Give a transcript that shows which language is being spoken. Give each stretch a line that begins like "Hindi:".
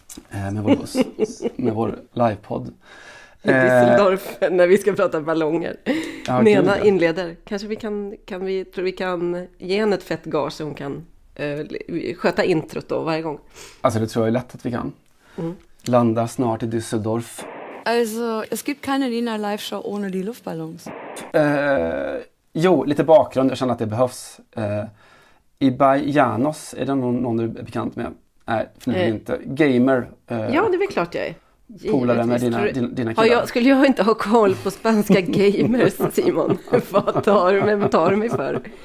Swedish: Med vår buss, med vår livepodd. Düsseldorf, när vi ska prata ballonger. Ja, Nena inleder. Kanske vi kan ge henne ett fett gage så hon kan sköta introt då varje gång. Alltså det tror jag är lätt att vi kan. Landa snart i Düsseldorf.
German: Alltså, es gibt keine Nena Live-Show ohne die Luftballons.
Swedish: Jo, lite bakgrund. Jag känner att det behövs. Ibai Janos, är det någon du är bekant med? Nej, inte. Gamer. Ja, det är väl klart jag är. polare med dina killar. Skulle jag inte ha koll på spanska gamers, Simon? Vad tar du mig, för?